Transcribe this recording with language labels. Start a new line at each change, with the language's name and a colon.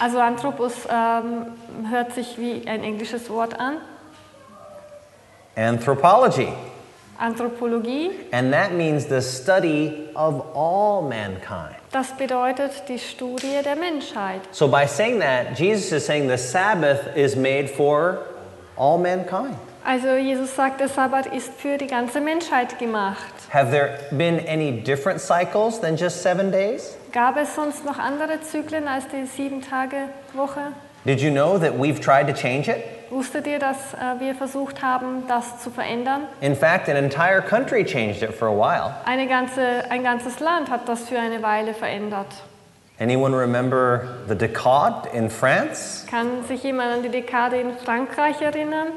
German: Also anthropos hört sich wie ein englisches Wort an.
English: Anthropology.
German: Anthropologie.
English: And that means the study of all mankind.
German: Das bedeutet die Studie der Menschheit.
English: So by saying that, Jesus is saying the Sabbath is made for all mankind.
German: Also Jesus sagt, der Sabbat ist für die ganze Menschheit gemacht.
English: Have there been any different cycles than just 7 days?
German: Gab es sonst noch andere Zyklen als die 7-Tage-Woche?
English: Did you know that we've tried to change it?
German: Wusstet ihr, dass wir versucht haben, das zu verändern?
English: In fact, an entire country changed it for a while.
German: Ein ganzes Land hat das für eine Weile verändert.
English: Anyone remember the décade in France?
German: Kann sich jemand an die Dekade in Frankreich erinnern?